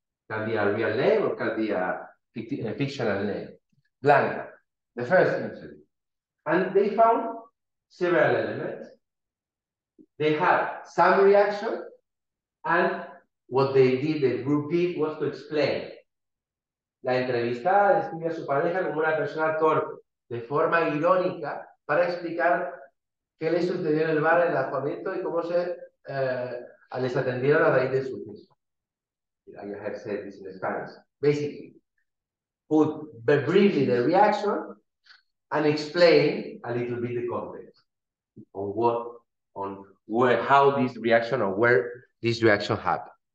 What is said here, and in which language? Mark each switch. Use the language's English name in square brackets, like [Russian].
[English] Can be a real name or can be a fictional name. Blanca, the first interview. And they found several elements. They had some reaction, and what they did, the group did, was to explain. [Spanish] La entrevistada describe a su pareja como una persona torpe, de forma irónica, para explicar qué le sucedió en el bar en el alojamiento y cómo se les atendieron a raíz de su suceso. [English] I have said this in Spanish. Basically, put briefly the reaction and explain a little bit the context on what, on where, how this reaction or where this reaction happened.